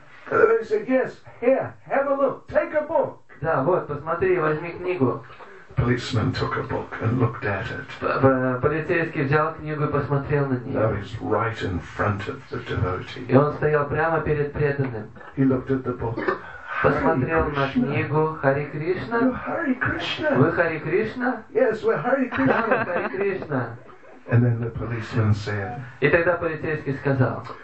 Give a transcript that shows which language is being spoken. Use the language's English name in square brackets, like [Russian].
[English] And the police said, "Yes, here, have a look, take a book." [Russian] Да, вот, посмотри, возьми книгу. [English] Policeman took a book and looked at it. [Russian] Полицейский взял книгу и посмотрел на нее. [English] Now he's right in front of the devotee. [Russian] И он стоял прямо перед преданным. [English] He looked at the book. [Russian] Посмотрел на книгу. Hare Krishna. [English] You're Hare Krishna. [Russian] Вы Hare Krishna? [English] Yes, we're Hare Krishna. [Russian] Да, Hare Krishna. [English] And then the policeman said. [Russian] И тогда полицейский сказал.